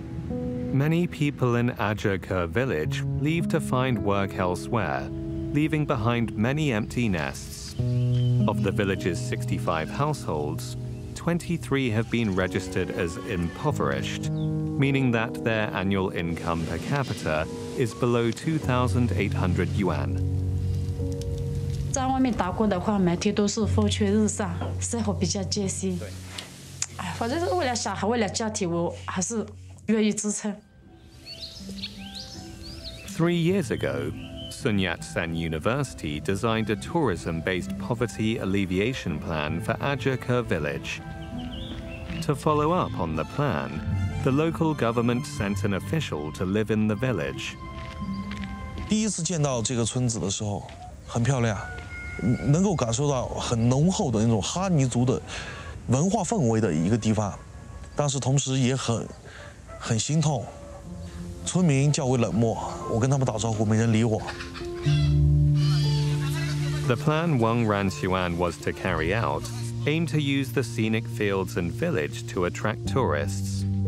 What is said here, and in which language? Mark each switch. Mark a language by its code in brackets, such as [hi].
[en] Many people in Ajokur village leave to find work elsewhere, leaving behind many empty nests. Of the village's 65 households, 23 have been registered as impoverished. Meaning that their annual income per capita is below 2,800 yuan. [zh] 在外面打工的话，每天都是风吹日晒，生活比较艰辛。哎，反正是为了小孩，为了家庭，我还是愿意支撑。 [en] 3 years ago, Sun Yat-sen University designed a tourism-based poverty alleviation plan for Ajurka Village. To follow up on the plan, the local government sent an official to live in the village. [zh] 第一次见到这个村子的时候，很漂亮，能够感受到很浓厚的那种哈尼族的文化氛围的一个地方，但是同时也很心痛。村民较为冷漠，我跟他们打招呼，没人理我。 [en] The plan Wang Ranxuan was to carry out aimed to use the scenic fields and village to attract tourists.